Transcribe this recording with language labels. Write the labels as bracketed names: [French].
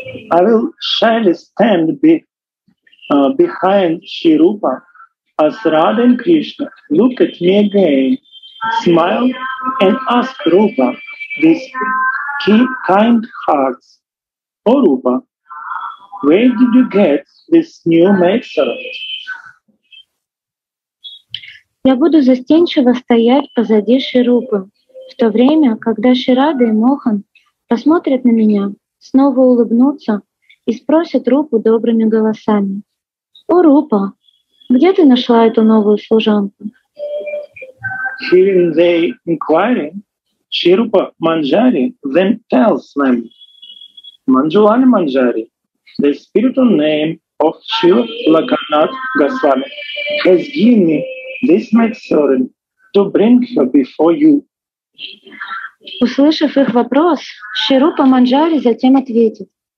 [English] I will shyly stand behind Shri Rupa as Radha and Krishna look at me again, smile and ask Rupa these kind hearts. O Rupa, where did you get this new maid servant? [Russian] Я буду застенчиво стоять позади Шри Рупы, в то время, когда Шри Рада и Мохан посмотрят на меня, снова улыбнутся и спросят Рупу добрыми голосами. О, Рупа, где ты нашла эту новую служанку? [English] Hearing the inquiry, Shri Rupa Manjari then tells them, Manjulani Manjari, the spiritual name of Shri Lakanath Goswami, has given me this maid servant to bring her before you. [Russian] Услышав их вопрос, Шри Рупа Манджари затем ответит.